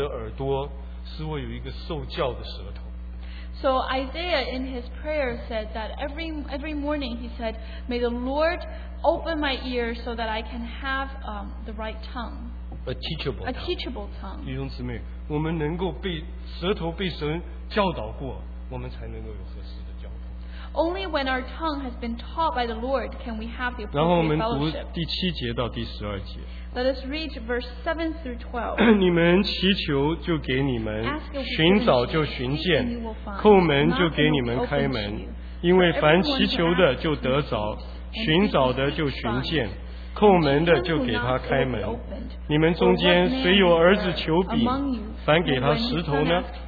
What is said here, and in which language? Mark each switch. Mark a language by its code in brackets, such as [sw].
[zh] 所以诗篇呢，以赛亚在他的话语里面讲了，有一个祷告，求主啊，每天早晨开通我的耳朵，使我有一个受教的舌头。 [en] So Isaiah in his prayer said that every morning he said, may the Lord open my ear so that I can have the right tongue. A teachable tongue. [zh] 弟兄姊妹，我们能够被舌头被神教导过，我们才能够有合适的交通。 [en] Only when our tongue has been taught by the Lord can we have the appropriate fellowship. [zh] 然后我们读第七节到第十二节。 [en] Let us read verse 7 through 12. [zh] 你们祈求就给你们, 寻找就寻见, 叩门就给你们开门, 因为凡祈求的就得着, 寻找的就寻见, 叩门的就给他开门。你们中间谁有儿子求笔, 凡给他石头呢?